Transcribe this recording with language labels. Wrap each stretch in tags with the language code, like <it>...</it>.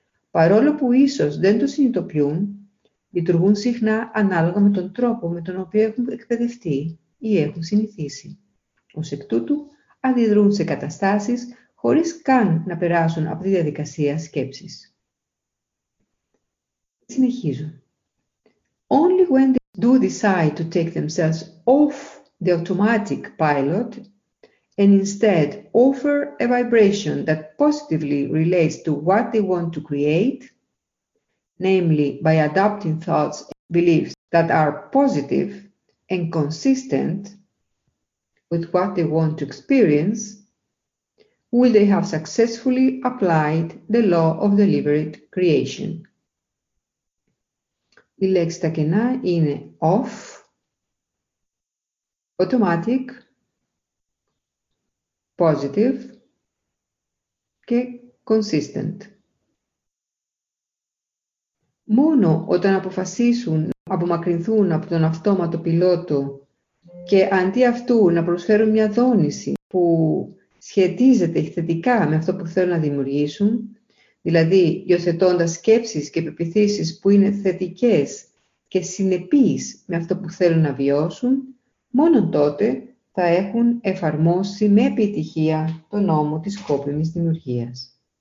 <el>Παρόλο που ίσως δεν το συνειδητοποιούν, λειτουργούν συχνά ανάλογα με τον τρόπο με τον οποίο έχουν εκπαιδευτεί ή έχουν συνηθίσει. Ως εκ τούτου, αντιδρούν σε καταστάσεις χωρίς καν να περάσουν από τη διαδικασία σκέψης. Συνεχίζω.</el> <en>Only when they do decide to take themselves off the automatic pilot and instead offer a vibration that positively relates to what they want to create, namely by adopting thoughts and beliefs that are positive and consistent with what they want to experience, will they have successfully applied the law of deliberate creation.</en> <el>Η λέξη στα κενά είναι off, automatic, positive και consistent. Μόνο όταν αποφασίσουν να απομακρυνθούν από τον αυτόματο πιλότο και αντί αυτού να προσφέρουν μια δόνηση που σχετίζεται θετικά με αυτό που θέλουν να δημιουργήσουν, δηλαδή υιοθετώντας σκέψεις και πεποιθήσεις που είναι θετικές και συνεπείς με αυτό που θέλουν να βιώσουν, μόνο τότε θα έχουν εφαρμόσει με επιτυχία τον νόμο της σκόπιμης δημιουργίας.</el>